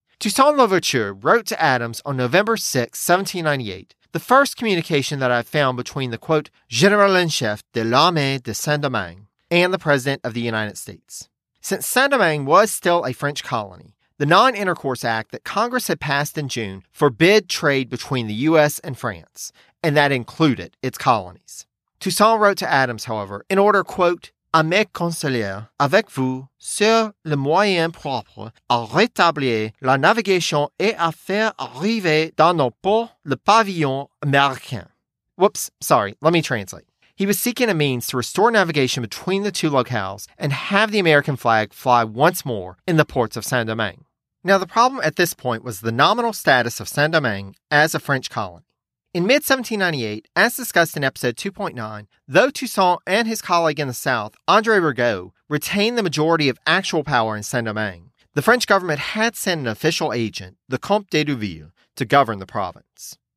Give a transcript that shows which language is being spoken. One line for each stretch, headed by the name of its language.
English: Toussaint Louverture wrote to Adams on November 6, 1798, the first communication that I found between the, quote, "General en chef de l'armée de Saint-Domingue" and the President of the United States. Since Saint-Domingue was still a French colony, the Non-Intercourse Act that Congress had passed in June forbid trade between the U.S. and France, and that included its colonies. Toussaint wrote to Adams, however, in order, quote,
French: à mes conseillers avec vous sur le moyen propre à rétablir la navigation et à faire arriver dans nos ports le pavillon américain.
English: Whoops, sorry, let me translate. He was seeking a means to restore navigation between the two locales and have the American flag fly once more in the ports of Saint-Domingue. Now, the problem at this point was the nominal status of Saint-Domingue as a French colony. In mid-1798, as discussed in episode 2.9, though Toussaint and his colleague in the south, André Rigaud, retained the majority of actual power in Saint-Domingue, the French government had sent an official agent, the Comte d'Edouville, to govern the province.